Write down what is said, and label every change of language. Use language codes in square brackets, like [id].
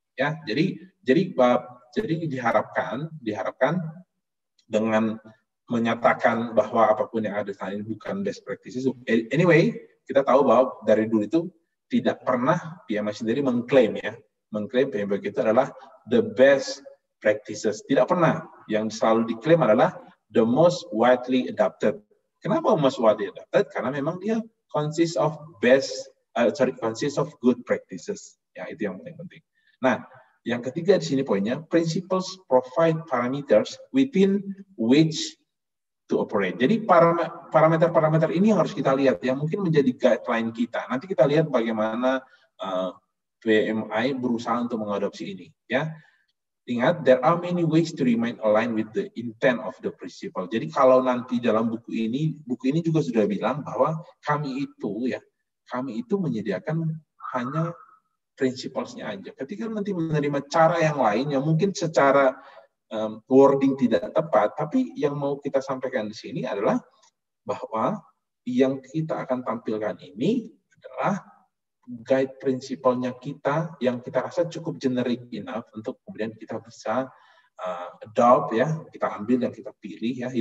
[id] Ya, jadi diharapkan dengan menyatakan bahwa apapun yang ada saat ini bukan best practices. Anyway, kita tahu bahwa dari dulu itu tidak pernah PMI sendiri mengklaim ya, mengklaim PMI itu adalah the best practices. Tidak pernah. Yang selalu diklaim adalah the most widely adopted. Kenapa most widely adopted? Karena memang dia consists of best consists of good practices. Ya, itu yang penting. Nah, yang ketiga di sini poinnya, [en] principles provide parameters within which to operate. [id] Jadi parameter-parameter ini yang harus kita lihat, yang mungkin menjadi guideline kita. Nanti kita lihat bagaimana PMI berusaha untuk mengadopsi ini. Ya. [en] Ingat, there are many ways to remain aligned with the intent of the principle. [id] Jadi kalau nanti dalam buku ini juga sudah bilang bahwa kami itu ya, kami itu menyediakan hanya principles-nya aja. Ketika nanti menerima cara yang lain yang mungkin secara wording tidak tepat, tapi yang mau kita sampaikan di sini adalah bahwa yang kita akan tampilkan ini adalah guide principle-nya kita yang kita rasa cukup generic enough untuk kemudian kita bisa adopt ya, kita ambil dan kita pilih ya.